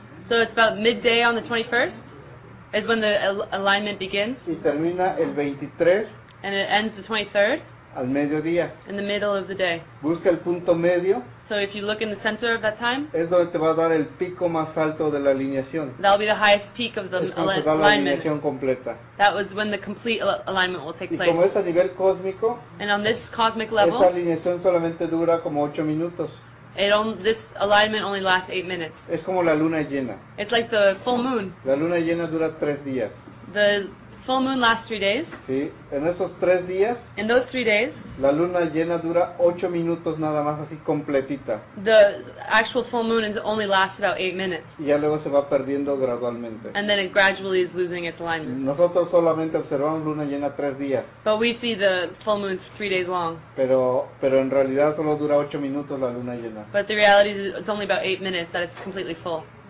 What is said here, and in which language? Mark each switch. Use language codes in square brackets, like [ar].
[en] So it's about midday on the 21st is when the alignment begins. [es] Y termina el 23. [en] And it ends the 23rd. [es] Al mediodía. [en] In the middle of the day. [es] Busca el punto medio. [en] So if you look in the center of that time, [es] es donde te va a dar el pico más alto de la alineación. [en] That'll be the highest peak of the alignment. That was when the complete alignment will take [es] y [en] place. [es] Como es a nivel cósmico, [en] and on this cosmic level, [es] esa alineación solamente dura como 8 minutos. [en] This alignment only lasts 8 minutes. [es] Es como la luna llena. [en] It's like the full moon. [es] La luna llena dura 3 días. [en] The full moon lasts 3 days. [es] Sí, en esos 3 días. [en] In those 3 days. [es] La luna llena dura 8 minutos nada más así completita. [en] The actual full moon only lasts about 8 minutes. [es] Y ya luego se va perdiendo gradualmente. [en] And then it gradually is losing its alignment. [es] Nosotros solamente observamos luna llena 3 días. [en] But we see the full moon 3 days long. [es] Pero en realidad solo dura 8 minutos la luna llena. [en] But the reality is it's only about 8 minutes that it's completely full.